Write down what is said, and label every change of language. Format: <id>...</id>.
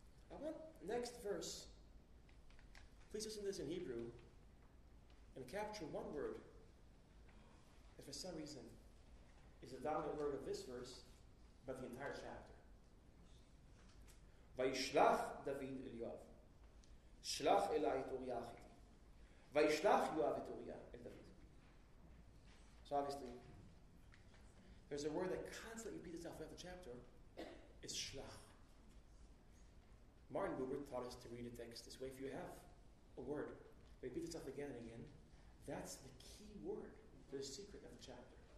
<en>I want next verse. Please listen to this in Hebrew and capture one word that for some reason is the dominant word of this verse, but the entire chapter.</en> <he>וישלח דוד אל יואב, שלח אליי את אוריה החיתי, וישלח יואב את אוריה אל דוד.</he> <en>So obviously, there's a word that constantly repeats itself throughout the chapter, is שלח. Martin Buber taught us to read a text this way. If you have a word that repeats itself again and again, that's the key word for the secret of the chapter.</en>